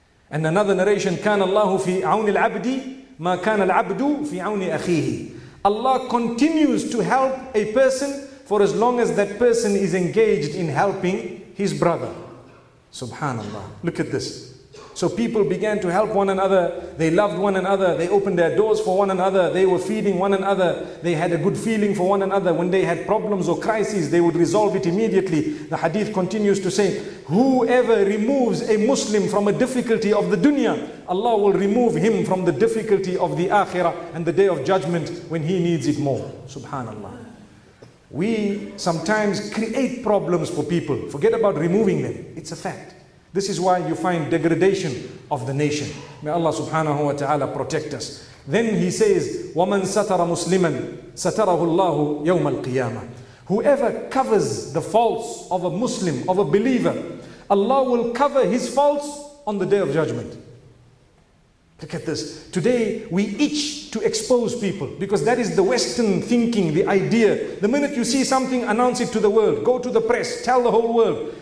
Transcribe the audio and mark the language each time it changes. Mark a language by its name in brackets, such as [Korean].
[English] And another narration, [Arabic] كان الله في عون العبد ما كان العبد في عون أخيه. [English] Allah continues to help a person for as long as that person is engaged in helping his brother. Subhanallah. Look at this. So people began to help one another. They loved one another. They opened their doors for one another. They were feeding one another. They had a good feeling for one another. When they had problems or crises, they would resolve it immediately. The hadith continues to say, whoever removes a Muslim from a difficulty of the dunya, Allah will remove him from the difficulty of the akhirah and the day of judgment when he needs it more. Subhanallah. We sometimes create problems for people. Forget about removing them. It's a fact. This is why you find degradation of the nation. May Allah subhanahu wa ta'ala protect us. Then he says, [Arabic] وَمَنْ سَتَرَ مُسْلِمًا سَتَرَهُ اللَّهُ يَوْمَ الْقِيَامَةِ. [English] Whoever covers the faults of a Muslim, of a believer, Allah will cover his faults on the day of judgment. Look at this. Today we itch to expose people, because that is the Western thinking, the idea. The minute you see something, announce it to the world. Go to the press, tell the whole world.